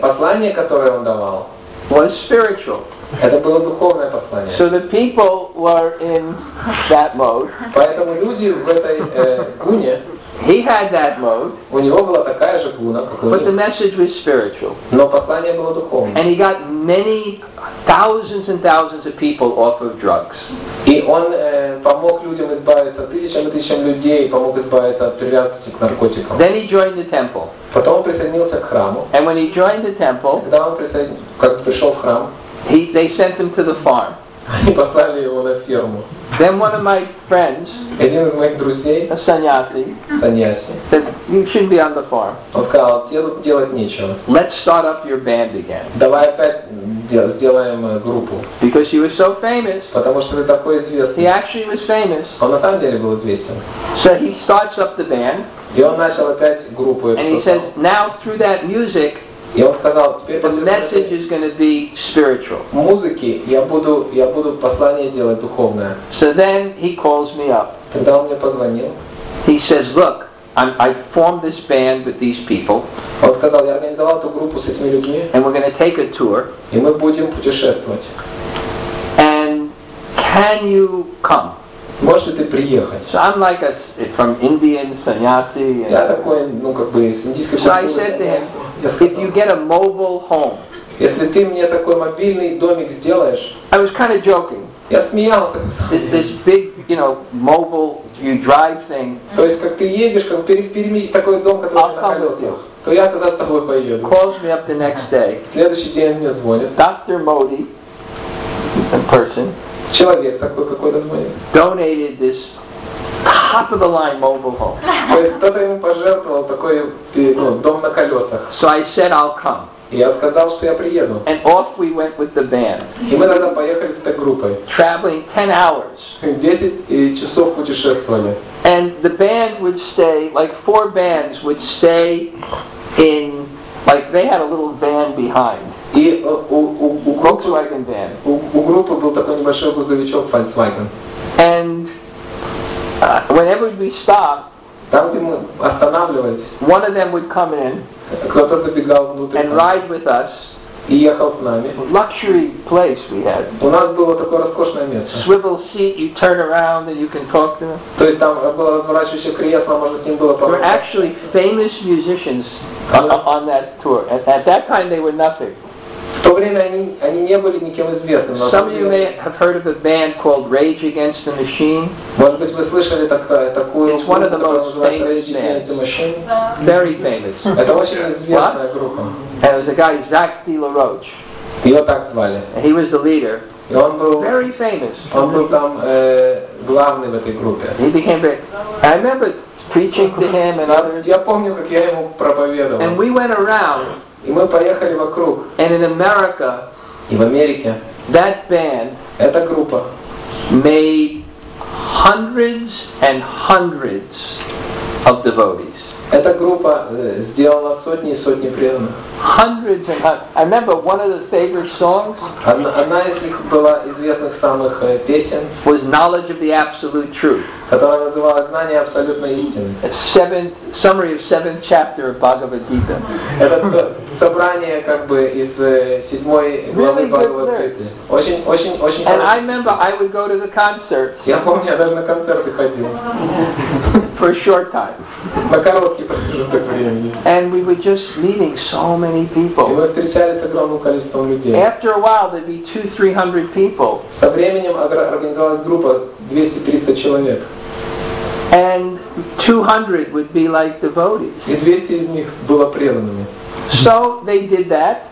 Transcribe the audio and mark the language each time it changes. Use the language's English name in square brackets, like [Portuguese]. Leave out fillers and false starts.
[Russian] послание, которое он давал, [English] was spiritual. [Russian] Это было духовное послание. [English] So the people were in that mode. [Russian] Поэтому люди в этой гуне. [English] He had that mode. [Russian] У него была такая же гуна, как у него. [English] But the message was spiritual. [Russian] Но послание было духовное. [English] And he got many thousands and thousands of people off of drugs. [Russian] И он помог людям избавиться, тысячам и тысячам людей помог избавиться от привязанности к наркотикам. [English] Then he joined the temple. [Russian] Потом он присоединился к храму. [English] And when he joined the temple, [Russian] когда он пришел в храм, [English] they sent him to the farm. [Russian] Они послали его на ферму. [English] Then one of my friends, [Russian] один из моих друзей, [English] a sannyasi, said, you shouldn't be on the farm. [Russian] Он сказал, делать нечего. [English] Let's start up your band again. [Russian] Давай опять сделаем группу. [English] Because he was so famous. [Russian] Потому что ты такой известный. [English] He actually was famous. [Russian] Он на самом деле был известен. [English] So he starts up the band. [Russian] И он начал опять группу. [English] And he says, now through that music, [Russian] и он сказал, теперь [English] the message is going to be spiritual. [Russian] Музыки я буду послание делать духовное. [English] So then he calls me up. [Russian] Тогда он мне позвонил. [English] He says, look, I formed this band with these people. [Russian] Он сказал, я организовал эту группу с этими людьми. [English] And we're going to take a tour. [Russian] И мы будем путешествовать. [English] And can you come? [Russian] Можешь ли ты приехать? [English] So I'm like a from Indian sannyasi. [Russian] Я такой, ну как бы с индийской [English] культуры. So I said to him, if you get a mobile home, [Russian] если ты мне такой мобильный домик сделаешь, [English] I was kind of joking. [Russian] Я смеялся. [English] This big, you know, mobile, you drive thing. [Russian] То есть как ты едешь, как перемени такой дом, который на колесах. То я тогда с тобой поеду. [English] Calls me up the next day. [Russian] Следующий день мне звонит. [English] Dr. Modi, a person. [Russian] Человек такой, какой-то звонит. [English] Donated this top of the line mobile home. [Russian] То есть кто-то ему пожертвовал такой дом на колесах. [English] So I said I'll come. [Russian] Я сказал, что я приеду. [English] And off we went with the band. [Russian] И мы тогда поехали с этой группой. [English] Traveling 10 hours. [Russian] 10 часов путешествовали. [English] And the band would stay, like four bands would stay in, like they had a little van behind. [Russian] И у [English] Volkswagen van. [Russian] У группы был такой небольшой грузовичок Volkswagen. [English] And whenever we stop, [Russian] там, где мы останавливались, [English] one of them would come in, [Russian] кто-то забегал внутрь, [English] and ride with us. [Russian] И ехал с нами. [English] Luxury place we had. [Russian] У нас было такое роскошное место. [English] Swivel seat, you turn around and you can talk to them. [Russian] То есть там было разворачивающее кресло, можно с ним было поговорить. [English] There were actually famous musicians on that tour. At that time they were nothing. [Russian] В то время они не были никем известными. [English] Some of you may have heard of a band called Rage Against the Machine. [Russian] Может быть вы слышали такую группу, которая называется Rage Against the Machine? [English] Very famous. [Russian] Это очень известная группа. [English] And it was a guy, Zach De La Roche. [Russian] Его так звали. [English] And he was the leader. [Russian] И он был, [English] very famous. [Russian] Он был там главный в этой группе. [English] He became very, I remember preaching to him and others. [Russian] Я помню, как я ему проповедовал. [English] And we went around. [Russian] И мы поехали вокруг. [English] And in America. [Russian] И в Америке. [English] That band. [Russian] Эта группа. [English] Made hundreds and hundreds of devotees. [Russian] Эта группа сделала сотни и сотни преданных. [English] Hundreds and hundreds. I remember one of the favorite songs. [Russian] Одна из их была известных самых песен. [English] Was Knowledge of the Absolute Truth. [Russian] Которая называлась Знание абсолютной истины. [English] Seventh summary of seventh chapter of Bhagavad Gita. [Russian] Это собрание как бы из седьмой главы Бхагавад Гиты. Очень, очень, очень. [English] And I remember I would go to the concerts. [Russian] Я помню, я даже на концерты ходил. [English] For a short time. [Russian] На короткий промежуток времени. [English] And we were just meeting so many people. [Russian] И мы встречались с огромным количеством людей. [English] After a while, there'd be 200-300 people. [Russian] Со временем организовалась группа 200-300 человек. [English] And 200 would be like devotees. [Russian] И 200 из них было преданными. [English] So they did that.